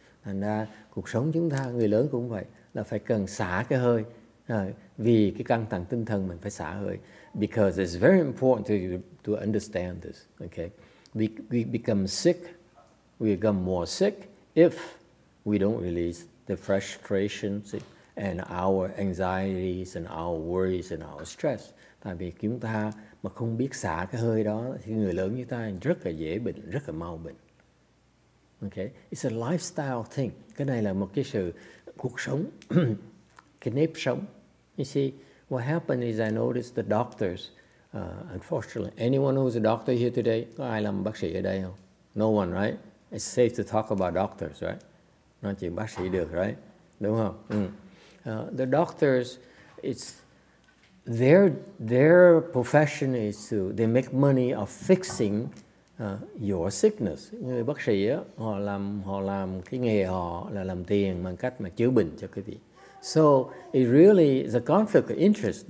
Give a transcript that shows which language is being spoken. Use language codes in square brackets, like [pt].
[vi] Thành ra cuộc sống chúng ta, người lớn cũng vậy, là phải cần xả cái hơi. Vì cái căng thẳng tinh thần mình phải xả hơi. [en] Because it's very important to understand this. Okay, we become sick, we become more sick if we don't release the frustrations and our anxieties and our worries and our stress. [vi] Tại vì chúng ta mà không biết xả cái hơi đó thì người lớn như ta rất là dễ bệnh, rất là mau bệnh. [en] Okay, it's a lifestyle thing. [vi] Cái này là một cái sự cuộc sống, cái nếp sống. [en] You see, what happened is I noticed the doctors, unfortunately, anyone who's a doctor here today, [vi] có ai làm bác sĩ ở đây không? [en] No one, right? It's safe to talk about doctors, right? [vi] Nói chuyện bác sĩ được, right? Đúng không? Mm. [en] The doctors, it's their profession is to, they make money of fixing your sickness. [vi] Người bác sĩ á, họ làm cái nghề họ là làm tiền bằng cách mà chữa bệnh cho quý vị. [en] So it really is a conflict of interest.